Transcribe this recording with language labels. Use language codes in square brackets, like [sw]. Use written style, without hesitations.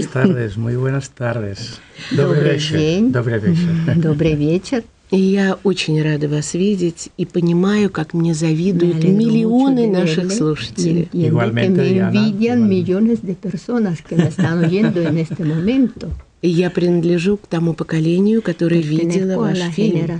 [es] Buenas tardes, muy buenas tardes. [ru] Добрый вечер. И я очень рада вас видеть и понимаю, как мне завидуют миллионы наших слушателей. [es] Igualmente, Diana. Que me envidian millones de personas que me están oyendo en este momento. [ru] И я принадлежу к тому поколению, которое видело ваш фильм.